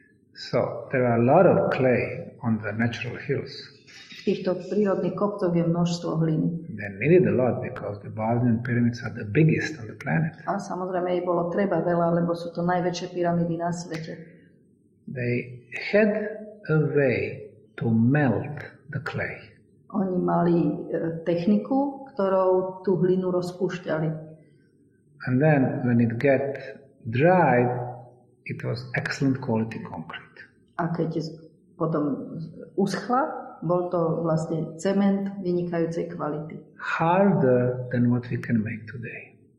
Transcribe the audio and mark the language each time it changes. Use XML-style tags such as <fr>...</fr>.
<en>So, there are a lot of clay on the natural hills.</en> <sk>V týchto prírodných kopcoch je množstvo hliny.</sk> <en>They needed a lot because the Bosnian pyramids are the biggest on the planet.</en> <sk>A samozrejme, jej bolo treba veľa, lebo sú to najväčšie pyramidy na svete.</sk> <en>They had a way to melt the clay.</en> <sk>Oni mali techniku, ktorou tú hlinu rozpúšťali.</sk> <en>And then when it get dried, it was excellent quality concrete.</en> <sk>A keď potom uschla, bol to vlastne cement vynikajúcej kvality.</sk> <en>Harder than what we can make today.</en>